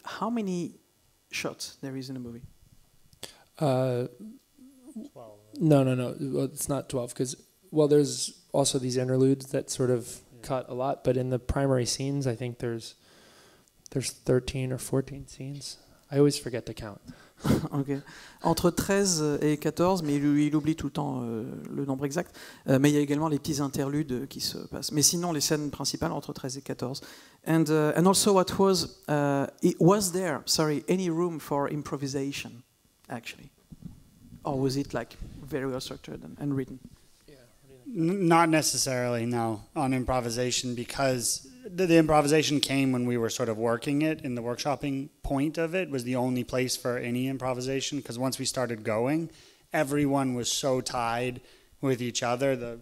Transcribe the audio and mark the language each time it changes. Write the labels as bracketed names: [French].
[English] How many shots there is in a movie? 12. No. Well, it's not 12, because, well, there's also these interludes that sort of cut a lot, but in the primary scenes, I think there's 13 or 14 scenes. I always forget to count. Okay. [French] Entre 13 et 14, mais il oublie tout le temps le nombre exact, mais il y a également les petits interludes qui se passent. Mais sinon, les scènes principales entre 13 et 14. [English] And also, was there any room for improvisation, actually? Or was it like very well structured and written? Not necessarily, no, on improvisation, because the improvisation came when we were sort of working it in the workshopping point of it was the only place for any improvisation, because once we started going, everyone was so tied with each other.